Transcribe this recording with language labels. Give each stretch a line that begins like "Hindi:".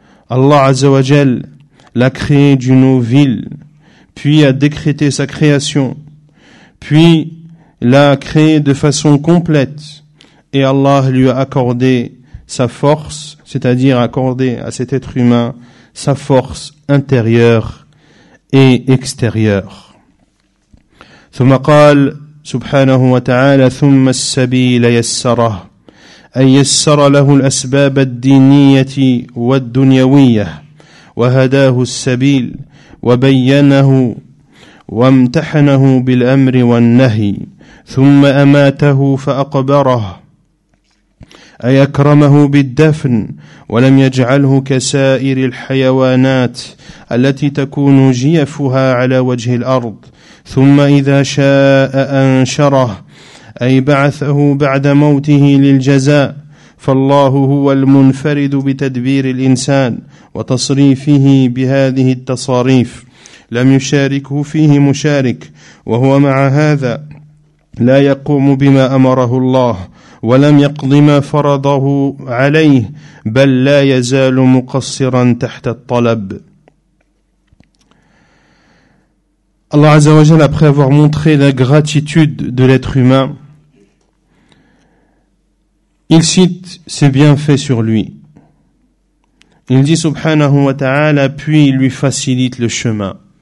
French: Allah Azza wa Jalla l'a créé d'une eau vile, puis a décrété sa création, puis l'a créé de façon complète, et Allah lui a accordé sa force, c'est-à-dire accordé à cet être humain sa force intérieure et extérieure.
Arabic: ثم قال سبحانه وتعالى ثم السبيل يسره أن يسر له الأسباب الدينية والدنيوية وهداه السبيل وبينه وامتحنه بالأمر والنهي ثم أماته فأقبره أيكرمه بالدفن ولم يجعله كسائر الحيوانات التي تكون جيفها على وجه الأرض ثم إذا شاء أنشره أي بعثه بعد موته للجزاء فالله هو المنفرد بتدبير الإنسان وتصريفه بهذه التصاريف لم يشاركه فيه مشارك وهو مع هذا لا يقوم بما أمره الله ولم يقض ما فرضه عليه بل لا يزال مقصرا تحت الطلب. الله عز وجل
French: après avoir montré la gratitude de l'être humain, il cite ses bienfaits sur lui. Il dit subhanahu wa ta'ala, puis il lui facilite le chemin.